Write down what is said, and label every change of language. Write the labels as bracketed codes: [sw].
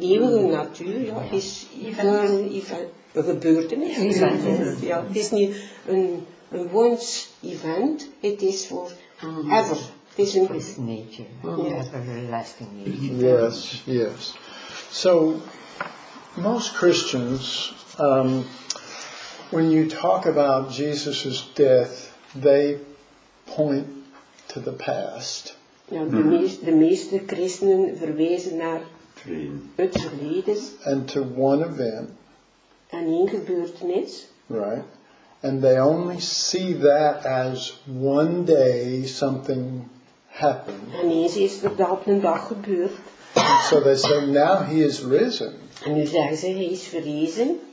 [nl] eeuwige natuur, ja, is een gebeurtenis. Ja, het is niet een een [en] once event, it is for ever. It's in this nature, everlasting nature. Yes, yes. So, most Christians, when you talk about Jesus' death, they point to the past. [nl] Ja, de meeste christenen verwezen naar het verleden. [en] And to one event. [nl] En één gebeurtenis. [en] Right. And they only see that as one day something happened. [nl] En eens is er dat een dag gebeurd. [en] So they say, now he is risen. [nl] En nu zeggen ze, hij is verrezen.